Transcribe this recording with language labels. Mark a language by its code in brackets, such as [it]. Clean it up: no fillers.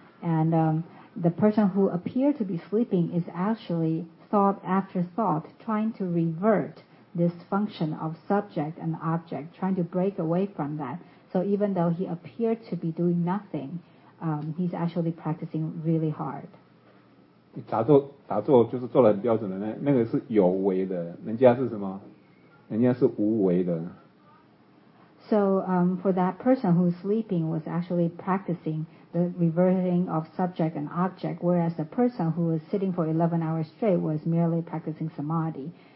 [en] And the person who appeared to be sleeping is actually thought after thought trying to revert this function of subject and object, trying to break away from that. So even though he appeared to be doing nothing, he's actually practicing really hard. [zh] 打坐就是做得很标准的，那个是有为的，人家是什么？人家是无为的。 [en] So for that person who's sleeping was actually practicing the reverting of subject and object, whereas the person who was sitting for 11 hours straight was merely practicing samadhi.